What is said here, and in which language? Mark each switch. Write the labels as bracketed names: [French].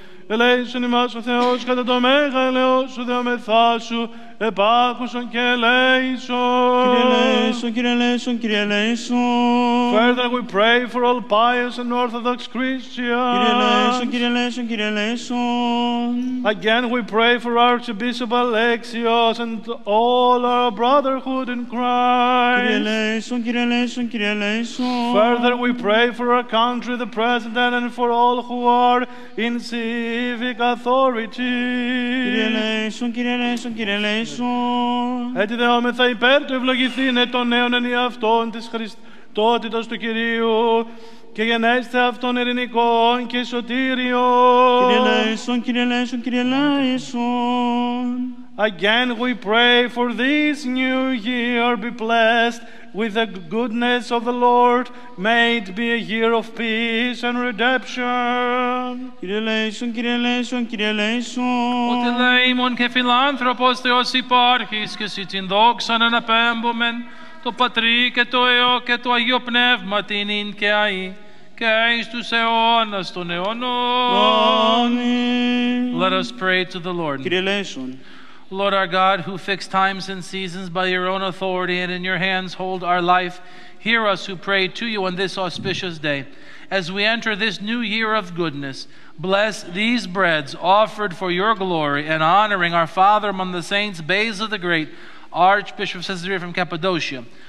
[Greek] Ελέησον ημάς ο Θεός κατά το μέγα έλεος σου δεόμεθά σου, επάκουσον και ελέησον. Κύριε ελέησον, Κύριε ελέησον, Κύριε ελέησον. [English] Further we pray for all pious and orthodox Christians. [Greek] Κύριε ελέησον, Κύριε ελέησον, [English] Again we pray for Archbishop Alexios and all our brotherhood in Christ. [Greek] Κύριε ελέησον, Κύριε ελέησον, Κύριε ελέησον. [English] Further we pray for our country, the President, and for all who are in civic authority. [Greek] Κύριε ελέησον, Κύριε ελέησον, Κύριε ελέησον. Έτι δεόμεθα υπέρ του ευλογηθήνε των νέων εν εαυτών της Χριστότητος του Κυρίου και γενέστε αυτών ειρηνικών και σωτήριο. Κύριε Λέησον, Κύριε Λέησον, Κύριε Λέησον. [English] Again we pray for this new year, be blessed with the goodness of the Lord, may it be a year of peace and redemption. [Greek] Κύριε Λέησον, Κύριε Λέησον, Κύριε Λέησον. Ότι λέημον και φιλάνθρωπος Θεός υπάρχεις και εσύ την δόξαν αναπέμπωμεν το Πατρί και το Υιό και το Αγίο Πνεύμα την ειν και αεί και εις τους αιώνας των αιώνων. Αμήν. [English] Let us pray to the Lord. [Greek] Κύριε Λέησον. [English] Lord our God, who fix times and seasons by your own authority and in your hands hold our life, hear us who pray to you on this auspicious day. As we enter this new year of goodness, bless these breads offered for your glory and honoring our Father among the saints, Basil of the Great, Archbishop of Caesarea from Cappadocia.